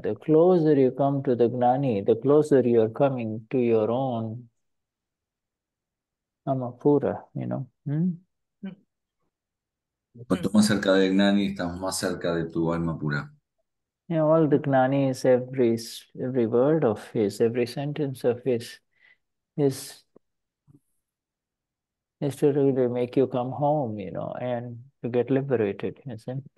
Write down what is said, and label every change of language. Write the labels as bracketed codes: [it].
[en] The closer you come to the Gnani, the closer you are coming to your own Amapura, you know. [es] Cuanto más cerca de Gnani, estamos más cerca de tu alma pura. [en] You know, all the Gnani is every word of his, every sentence of his is to really make you come home, you know, and to get liberated, you see.